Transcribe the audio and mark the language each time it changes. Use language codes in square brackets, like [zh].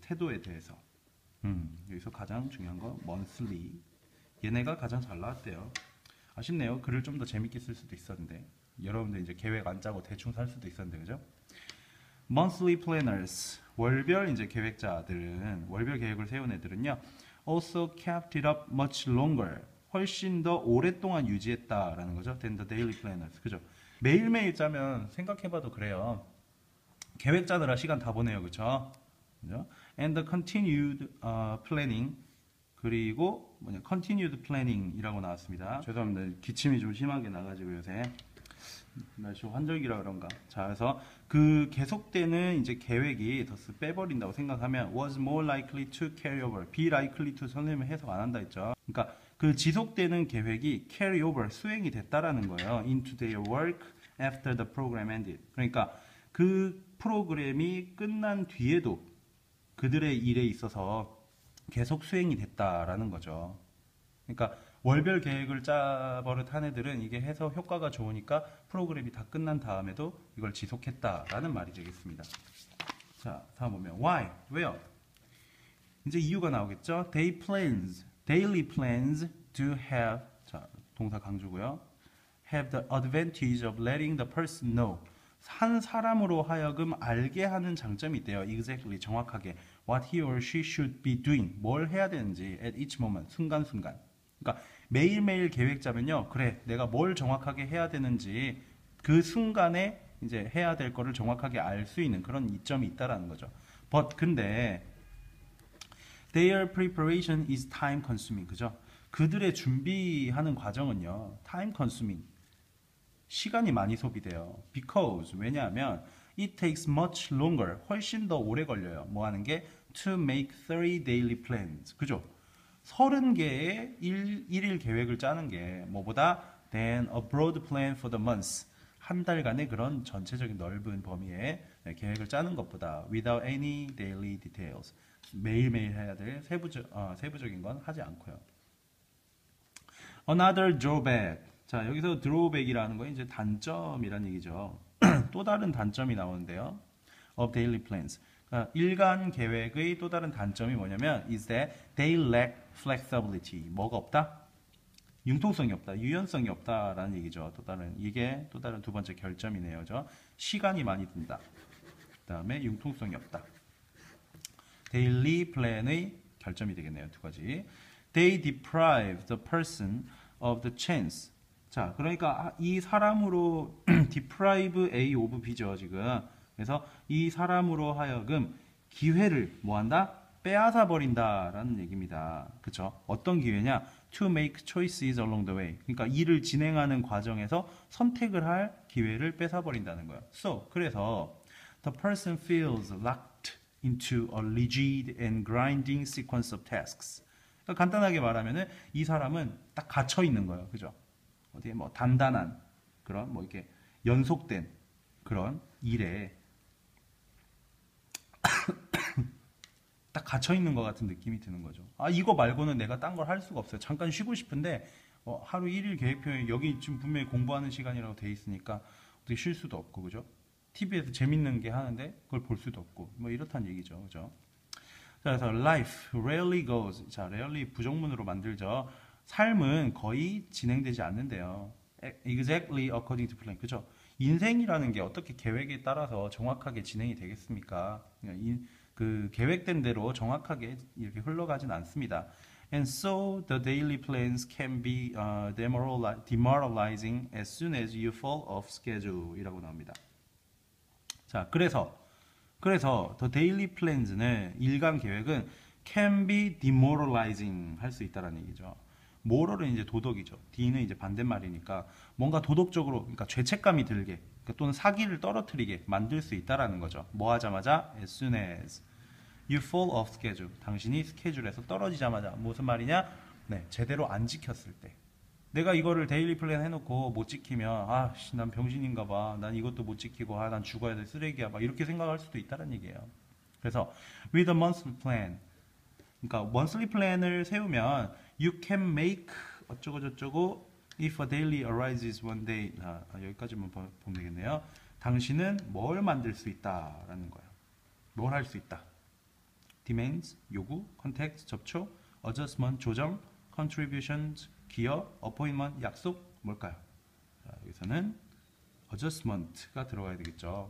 [ko] 태도에 대해서. 여기서 가장 중요한 거. monthly. 얘네가 가장 잘 나왔대요. 아쉽네요. 글을 좀더 재밌게 쓸 수도 있었는데. 여러분들 이제 계획 안 짜고 대충 살 수도 있었는데. 그죠? [en] monthly planners. [ko] 월별 이제 계획자들은, 월별 계획을 세운 애들은요. [en] also kept it up much longer. [ko] 훨씬 더 오랫동안 유지했다라는 거죠. [en] than the daily planners. [ko] 그죠? 매일매일 짜면 생각해봐도 그래요. 계획 짜느라 시간 다 보내요. 그쵸? 그죠? [en] and the continued planning. [ko] 그리고 뭐냐 continued planning이라고 나왔습니다. 죄송합니다. 기침이 좀 심하게 나가지고 요새 날씨 환절기라 그런가. 자, 그래서 그 계속되는 이제 계획이 더 빼버린다고 생각하면 [en] was more likely to carry over. [ko] be likely to 선생님은 해석 안 한다 했죠. 그러니까 그 지속되는 계획이 carry over 수행이 됐다라는 거예요. [en] into their work after the program ended. [ko] 그러니까 그 프로그램이 끝난 뒤에도 그들의 일에 있어서 계속 수행이 됐다라는 거죠. 그러니까 월별 계획을 짜버릇한 애들은 이게 해서 효과가 좋으니까 프로그램이 다 끝난 다음에도 이걸 지속했다라는 말이 되겠습니다. 자, 다음 보면 why? 왜요? 이제 이유가 나오겠죠? [en] They plans, daily plans to have, [ko] 자, 동사 강조고요. [en] have the advantage of letting the person know. [ko] 한 사람으로 하여금 알게 하는 장점이 있대요. Exactly, 정확하게. [en] What he or she should be doing. [ko] 뭘 해야 되는지. [en] At each moment. [ko] 순간순간. 그러니까 매일매일 계획 짜면요. 그래, 내가 뭘 정확하게 해야 되는지 그 순간에 이제 해야 될 거를 정확하게 알 수 있는 그런 이점이 있다라는 거죠. [en] But, [ko] 근데 [en] their preparation is time consuming. [ko] 그죠? 그들의 준비하는 과정은요. [en] time consuming. [ko] 시간이 많이 소비돼요. [en] Because, [ko] 왜냐하면 [en] It takes much longer. [ko] 훨씬 더 오래 걸려요. 뭐 하는 게? [en] To make three daily plans. [ko] 그죠? 30개의 일일 계획을 짜는 게 뭐보다 [en] than a broad plan for the month. [ko] 한 달간의 그런 전체적인 넓은 범위의 계획을 짜는 것보다 [en] without any daily details. [ko] 매일매일 해야 될 세부적인 건 하지 않고요. [en] Another drawback. [ko] 자, 여기서 drawback이라는 건 이제 단점이라는 얘기죠. 또 다른 단점이 나오는데요. [en] of daily plans. [ko] 그러니까 일간 계획의 또 다른 단점이 뭐냐면 [en] is that they lack flexibility. [ko] 뭐가 없다? 융통성이 없다. 유연성이 없다라는 얘기죠. 또 다른 이게 또 다른 두 번째 결점이네요. 저 시간이 많이 든다. 그다음에 융통성이 없다. daily plan의 결점이 되겠네요. 두 가지. [en] they deprive the person of the chance. [ko] 자, 그러니까 이 사람으로 deprive A of B죠, 지금. 그래서 이 사람으로 하여금 기회를 뭐한다? 빼앗아 버린다라는 얘기입니다. 그렇죠? 어떤 기회냐? [en] To make choices along the way. [ko] 그러니까 일을 진행하는 과정에서 선택을 할 기회를 뺏어 버린다는 거야. [en] So, [ko] 그래서 [en] the person feels locked into a rigid and grinding sequence of tasks. [ko] 그러니까 간단하게 말하면은 이 사람은 딱 갇혀 있는 거예요. 그렇죠? 어디에 뭐 단단한 그런 뭐 이렇게 연속된 그런 일에 딱 갇혀 있는 것 같은 느낌이 드는 거죠. 아, 이거 말고는 내가 딴 걸 할 수가 없어요. 잠깐 쉬고 싶은데 뭐 하루 1일 계획표에 여기 지금 분명히 공부하는 시간이라고 돼 있으니까 어떻게 쉴 수도 없고 그죠? TV에서 재밌는 게 하는데 그걸 볼 수도 없고 뭐 이렇단 얘기죠, 그죠? 자, 그래서 [en] life rarely goes. [ko] 자, rarely 부정문으로 만들죠. 삶은 거의 진행되지 않는데요. [en] Exactly according to plan. [ko] 그죠? 인생이라는 게 어떻게 계획에 따라서 정확하게 진행이 되겠습니까? 그 계획된 대로 정확하게 이렇게 흘러가진 않습니다. [en] And so the daily plans can be demoralizing as soon as you fall off schedule [ko] 이라고 나옵니다. 자, 그래서 the daily plans는 일간 계획은 [en] can be demoralizing [ko] 할 수 있다는 얘기죠. 모럴은 이제 도덕이죠. D는 이제 반대말이니까 뭔가 도덕적으로 그러니까 죄책감이 들게 그러니까 또는 사기를 떨어뜨리게 만들 수 있다라는 거죠. 뭐 하자마자 [en] as soon as you fall off schedule. [ko] 당신이 스케줄에서 떨어지자마자 무슨 말이냐? 네, 제대로 안 지켰을 때. 내가 이거를 데일리 플랜 해놓고 못 지키면 아, 씨, 난 병신인가 봐. 난 이것도 못 지키고 아, 난 죽어야 돼 쓰레기야. 막 이렇게 생각할 수도 있다는 얘기예요. 그래서 [en] with a monthly plan. [ko] 그러니까 [en] monthly plan [ko] 을 세우면 [en] You can make [ko] 어쩌고 저쩌고 [en] if a daily arises one day. [ko] 아, 여기까지만 보면 되겠네요. 당신은 뭘 만들 수 있다라는 거야. 뭘 할 수 있다. Demands 요구, contact 접촉, adjustment 조정, contributions 기여, appointment 약속 뭘까요? 자, 여기서는 adjustment가 들어가야 되겠죠.